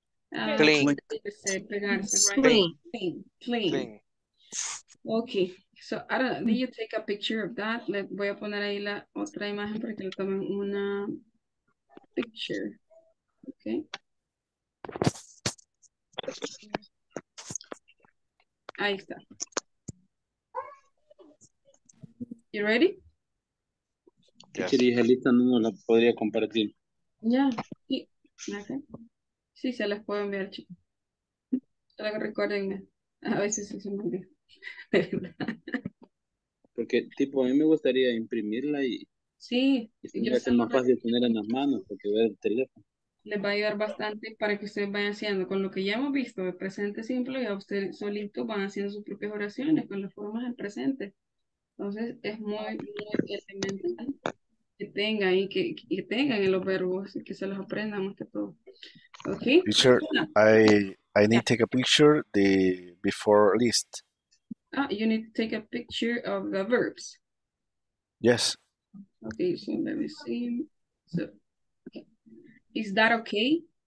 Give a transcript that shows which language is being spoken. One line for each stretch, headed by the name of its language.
English: Okay, so I don't know. Did you take a picture of that?
Spanish: Le voy a poner ahí la otra imagen para que le tomen una picture.
English: Okay.
Spanish: Ahí está.
English: You ready?
Spanish: Yes. Si dije lista, no la podría compartir. Ya. Yeah. Sí, se las puedo enviar, chicos. Solo que recuérdenme. A veces se me olvida. De verdad. Porque, tipo, a mí me gustaría imprimirla y. Sí. Y es más fácil tener en las manos porque ver el teléfono. Les va a ayudar bastante para que ustedes vayan haciendo con lo que ya hemos visto, el presente simple, y a ustedes solitos van haciendo sus propias oraciones con las formas del presente. Entonces, es muy, muy elemental que tengan y que tengan en los verbos y que se los aprendan más que todo. ¿Ok?
English: Picture, I need to take a picture the before list. Ah, you need to take a picture of the verbs. Yes. Ok, so let me see. So, is that okay?